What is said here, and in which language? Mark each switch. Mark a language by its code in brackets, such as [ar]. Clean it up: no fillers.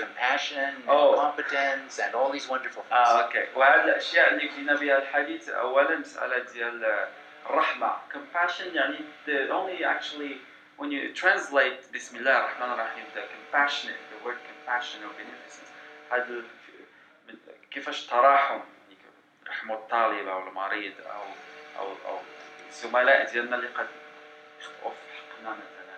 [en] Compassion and competence and all these wonderful things. Okay. [ar] وهذا الأشياء اللي كنا بها الحديث أولا مسألة ديال الرحمة. [en] Compassion يعني the only actually when you translate [ar] بسم الله الرحمن الرحيم [en] the compassionate, the word compassion or beneficence. [ar] هذا كيفاش تراحم رحموا الطالب أو المريض أو الزملاء ديالنا اللي قد يخطئوا في حقنا مثلا.